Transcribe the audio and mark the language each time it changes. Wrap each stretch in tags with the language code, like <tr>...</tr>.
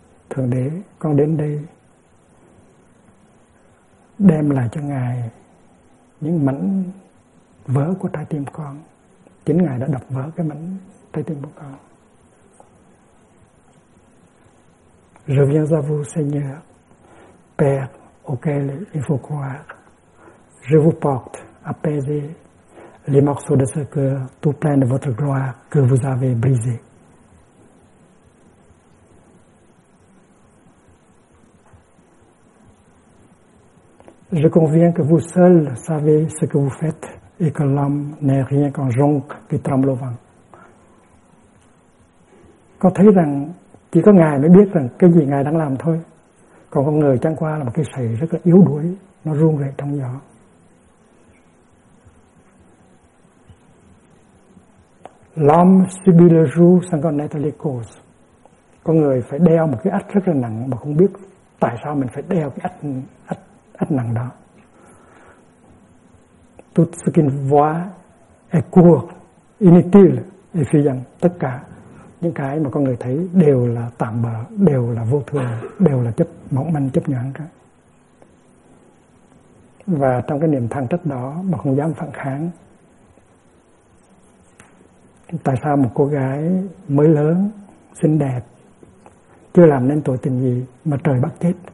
<vi>Thượng Đế, con đến đây đem lại cho Ngài những mảnh vỡ của trái tim con. Chính Ngài đã đập vỡ cái mảnh trái tim của con.</vi> <fr>Je viens à vous, Seigneur, Père auquel il faut croire. Je vous porte, apaisé, les morceaux de ce cœur tout plein de votre gloire que vous avez brisé. Je conviens que vous seul savez ce que vous faites et que l'homme n'est rien qu'un jonc qui tremble au vent.</fr> <vi>Con thấy rằng chỉ có Ngài mới biết rằng cái gì Ngài đang làm thôi. Còn con người chẳng qua là một cái sậy rất là yếu đuối, nó run rẩy trong gió.</vi> <fr>L'homme subit le jour sans connaître les causes.</fr> <vi>Con người phải đeo một cái ách rất là nặng mà không biết tại sao mình phải đeo cái ách nặng đó.</vi> <fr>tout ce qu'il voit est court, inutile et phi danh.</fr> <vi>Tất cả những cái mà con người thấy đều là tạm bợ, đều là vô thường, đều là chấp mỏng manh, chấp nhoáng cả. Và trong cái niềm than trách đó mà không dám phản kháng. Tại sao một cô gái mới lớn, xinh đẹp, chưa làm nên tội tình gì mà trời bắt chết?</vi>